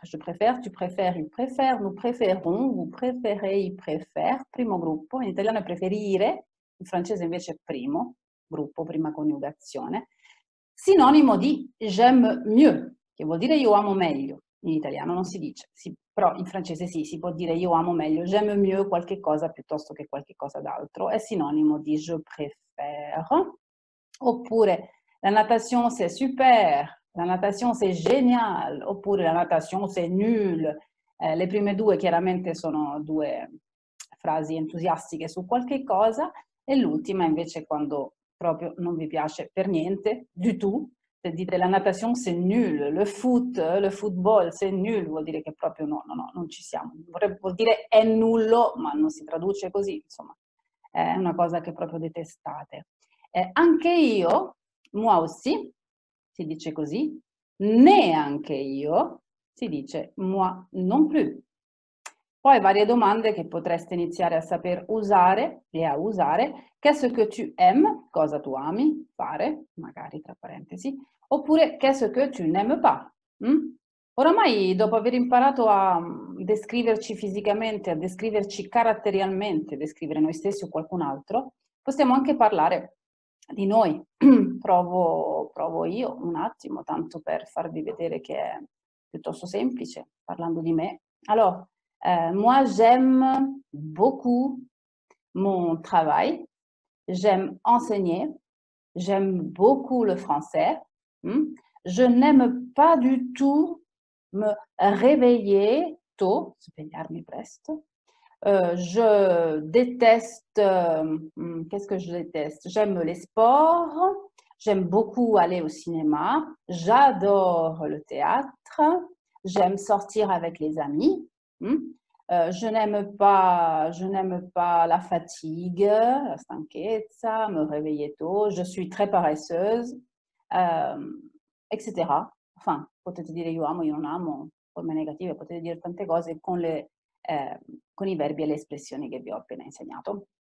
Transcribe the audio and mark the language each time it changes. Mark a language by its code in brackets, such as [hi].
[fr] Je préfère, tu préfères, il préfère, nous préférons, vous préférez, il préfère, [it] primo gruppo. In italiano è preferire. In francese invece primo, gruppo, prima coniugazione, sinonimo di [fr] j'aime mieux, [it] che vuol dire io amo meglio. In italiano non si dice, però in francese sì, si può dire io amo meglio, [fr] j'aime mieux [it] qualche cosa piuttosto che qualche cosa d'altro, è sinonimo di [fr] je préfère. Oppure la natation c'est super, la natation c'est génial, oppure la natation c'est nul. [it] Le prime due chiaramente sono due frasi entusiastiche su qualche cosa. E l'ultima invece quando proprio non vi piace per niente, du tout, dite [fr] la natation c'est nul, [it] le foot, le football c'est nul, vuol dire che proprio no, no, no, non ci siamo. Vuol dire è nullo, ma non si traduce così, insomma, è una cosa che proprio detestate. Anche io, [fr] moi aussi, [it] si dice così, neanche io, si dice [fr] moi non plus. [it] Poi varie domande che potreste iniziare a saper usare e a usare. [fr] Qu'est-ce que tu aimes? [it] Cosa tu ami fare? Magari tra parentesi. [fr] Oppure qu'est-ce que tu n'aimes pas? Mm? [it] Oramai dopo aver imparato a descriverci fisicamente, a descriverci caratterialmente, descrivere noi stessi o qualcun altro, possiamo anche parlare di noi. Provo io un attimo, tanto per farvi vedere che è piuttosto semplice, parlando di me. [fr] Allora, moi, j'aime beaucoup mon travail, j'aime enseigner, j'aime beaucoup le français. Je n'aime pas du tout me réveiller tôt, [it] svegliarmi presto. [fr] Je déteste, qu'est-ce que je déteste? J'aime les sports, j'aime beaucoup aller au cinéma, j'adore le théâtre, j'aime sortir avec les amis. Je n'aime pas la fatigue, [it] la stanchezza, [fr] me réveiller tôt, je suis très paresseuse, etc. [it] Enfin, potete dire io amo, io non amo, forme negative, potete dire tante cose con i verbi e le espressioni che vi ho appena insegnato.